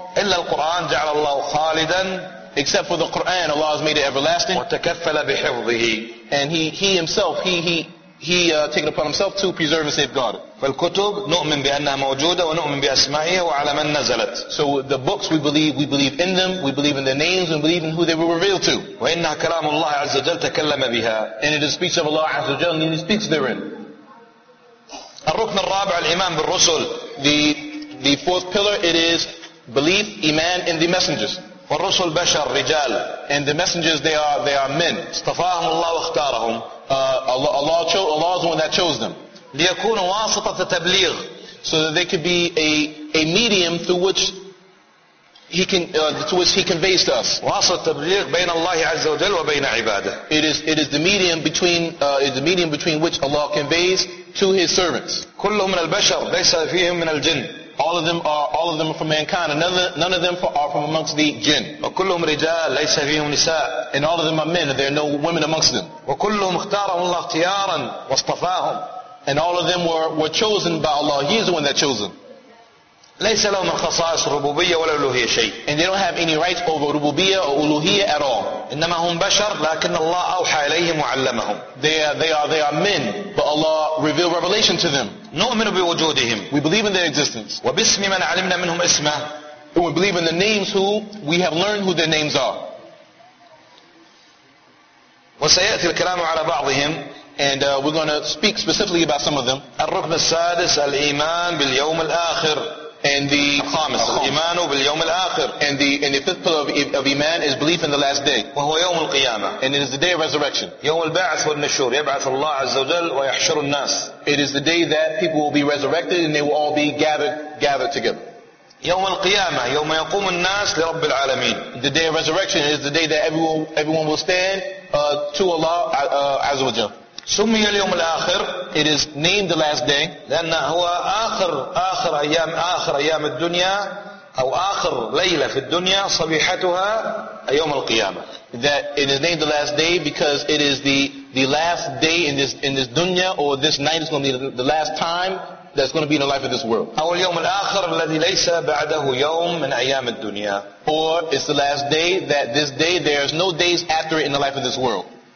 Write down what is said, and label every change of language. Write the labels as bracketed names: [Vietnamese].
[Arabic] إلا القرآن جعل الله خالدا. [English] Except for the Quran, Allah has made it everlasting. [Arabic] وتكفل بحفظه. [English] And he himself taken upon himself to preserve and safeguard it. [Arabic] فالكتب نؤمن بأنها موجودة ونؤمن بأسمائها وعلى من نزلت. [English] So the books we believe in them, we believe in their names and believe in who they were revealed to. [Arabic] وإنها كلام الله عز وجل تكلم بها. [English] And it is speech of Allah [Arabic] عز وجل [English] and he speaks therein. [Arabic] الركن الرابع الإيمان بالرسل. [English] The fourth pillar it is belief, iman in the messengers. [Arabic] والرسل بشر رجال. [English] And the messengers they are men. [Arabic] اصطفاهم الله واختارهم. [English] Allah is the one that chose them. [Arabic] ليكونوا واسطة تبليغ. [English] So that they could be a medium through which he conveys to us. [Arabic] واسطة تبليغ بين الله عز وجل وبين عباده. [English] It is the medium between which Allah conveys to his servants. [Arabic] كلهم من البشر ليس فيهم من الجن. [English] All of them are from mankind. None of them are from amongst the jinn. [Arabic] وكلهم رجال ليس فيهم نساء. [English] And all of them are men. There are no women amongst them. [Arabic] وكلهم اختارهم الله اختيارا واصطفاهم. [English] And all of them were chosen by Allah. He is the one that chose them. [Arabic] ليس لهم خصائص ربوبية ولا ألوهية شيء. [English] And they don't have any rights over ربوبية or ألوهية at all. [Arabic] إنما هم بشر لكن الله أوحى إليهم وعلمهم. [English] They are men, but Allah revealed revelation to them. [Arabic] نؤمن بوجودهم. [English] We believe in their existence. [Arabic] وباسم من علمنا منهم اسمه. [English] And we believe in the names who we have learned who their names are. [Arabic] وسيأتي الكلام على بعضهم. [English] And we're going to speak specifically about some of them. [Arabic] الركن السادس الإيمان باليوم الآخر. [English] And the [Arabic] خامس الإيمان باليوم الآخر. [English] And the fifth pillar of iman is belief in the last day. [Arabic] وهو يوم القيامة. [English] And it is the day of resurrection. [Arabic] يوم البعث والنشور. يبعث الله عز وجل ويحشر الناس. [English] It is the day that people will be resurrected and they will all be gathered together. [Arabic] يوم القيامة يوم يقوم الناس لرب العالمين. [English] The day of resurrection is the day that everyone will stand to Allah [Arabic] عز وجل. سمي اليوم الآخر. [English] It is named the last day. [Arabic] لأن هو آخر أيام آخر أيام الدنيا أو آخر ليلة في الدنيا صبيحتها يوم القيامة. [English] That it is named the last day because it is the last day in this dunya or this night is going to be the last time that's going to be in the life of this world. [Arabic] أو اليوم الآخر الذي ليس بعده يوم من أيام الدنيا. [English] Or it's the last day that this day there is no days after it in the life of this world.